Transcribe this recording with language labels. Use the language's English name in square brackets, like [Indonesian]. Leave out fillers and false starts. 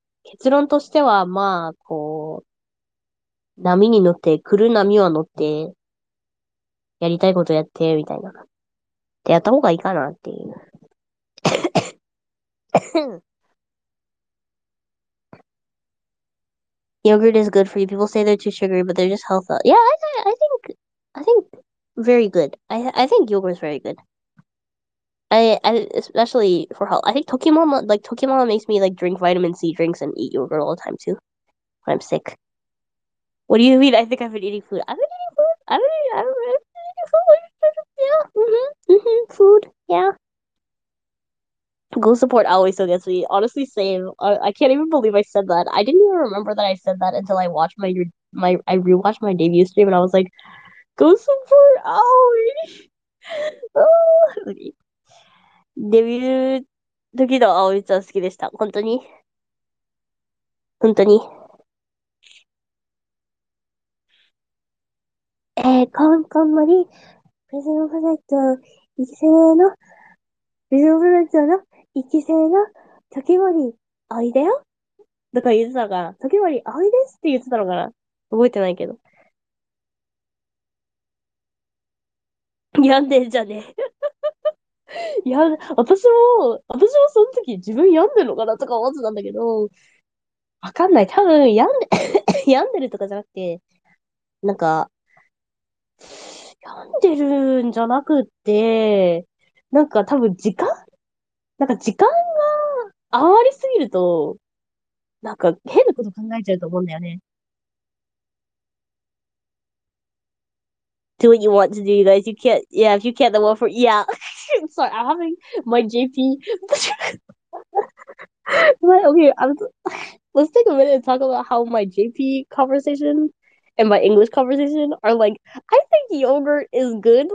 [Japanese] 結論としては、まあ、こう、波に乗って、来る波は乗って、やりたいことやって、みたいな。で、やった方がいいかな、っていう。 [English] Yogurt is good for you. People say they're too sugary, but they're just healthy. Yeah, I think very good. I think yogurt is very good. I especially for health. I think Tokimama makes me like drink vitamin C drinks and eat yogurt all the time too, when I'm sick. What do you mean? I think I've been eating food. I've been eating food. I've been eating food. Food. Yeah. Glue support always so gets me. Honestly, same. I can't even believe I said that. I didn't even remember that I said that until I watched I rewatched my debut stream and I was like, glue support always. Oh, okay. [Japanese] デビュー時の葵ちゃん好きでした。本当に。本当に。コンコンマリー、プリズムフラット一期生の、プリズムフラットの一期生の、時森葵だよ。とか言ってたのかな。時森葵ですって言ってたのかな。覚えてないけど。やんでんじゃねえ。いや、私もその時自分病んでるのかなとか思ってたんだけど、わかんない。多分病んでるとかじゃなくて、なんか、病んでるんじゃなくて、なんか多分時間が余りすぎると、なんか変なこと考えちゃうと思うんだよね。 [English] Do what you want to do, you guys. You can't, yeah, if you can't, then what for, yeah. Sorry, I'm having my JP. Okay, let's take a minute and talk about how my JP conversation and my English conversation are like, I think yogurt is good.